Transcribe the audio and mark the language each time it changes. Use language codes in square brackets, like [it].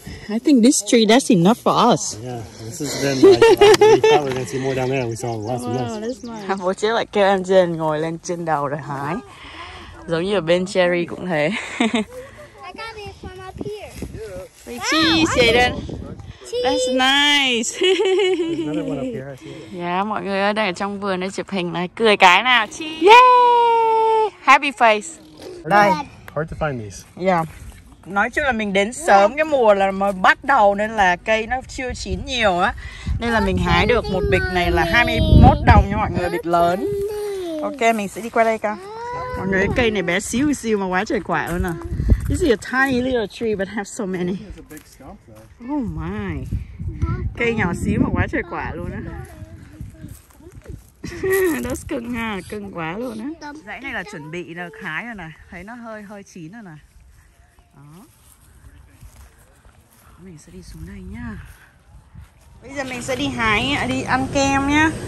[en] I think this tree, that's enough for us. Yeah, this has been like, we thought we were going to see more down there. We saw lots of mess. [vi] Một chiếc là kêu em Jen ngồi lên trên đầu rồi hái. Giống như ở bên Cherry cũng thế. [en] I got it from up here. Yeah. Wait, cheese, wow, Jaden. That's nice. Yeah, [vi] mọi người ơi, đang ở trong vườn đây chụp hình này. Cười cái nào, [en] cheese. Yeah. Happy face. [vi] Đây. [en] Hard to find these. Yeah. [vi] Nói chung là mình đến sớm cái mùa là mới bắt đầu nên là cây nó chưa chín nhiều á. Nên là mình hái được một bịch này là 21 đồng nha mọi người, bịch lớn. Ok, mình sẽ đi qua đây coi. Mọi người, cây này bé xíu xíu mà quá trời quả luôn à. [en] This is a tiny little tree but have so many. Oh my. [vi] Cây nhỏ xíu mà quá trời quả luôn á. Nó cưng ha, cưng quá luôn á. Dãy này là chuẩn bị được hái rồi nè. Thấy nó hơi chín rồi nè. Đó. Mình sẽ đi xuống đây nha. Bây giờ mình sẽ đi hái, đi ăn kem nhá.